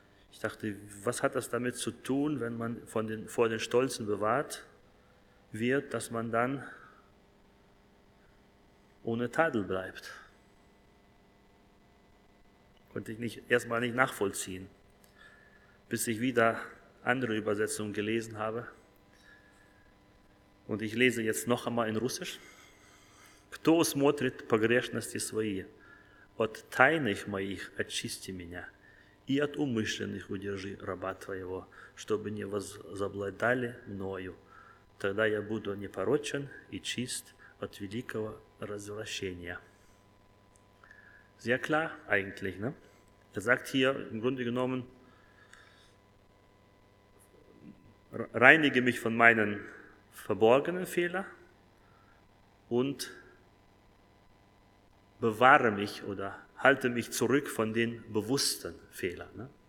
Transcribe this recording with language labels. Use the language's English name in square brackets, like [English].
[German] Ich dachte, was hat das damit zu tun, wenn man vor den Stolzen bewahrt wird, dass man dann ohne Tadel bleibt? Konnte ich erstmal nicht nachvollziehen, bis ich wieder andere Übersetzungen gelesen habe. Und ich lese jetzt noch einmal in Russisch. [Russian] Кто усмотрит погрешности свои, от тайных моих очисти меня, и от умышленных удержи раба твоего, чтобы не возобладали мною, тогда я буду непорочен и чист от великого развращения. [German] Sehr klar eigentlich, ne? Er sagt hier im Grunde genommen, reinige mich von meinen verborgenen Fehler und bewahre mich oder halte mich zurück von den bewussten Fehlern.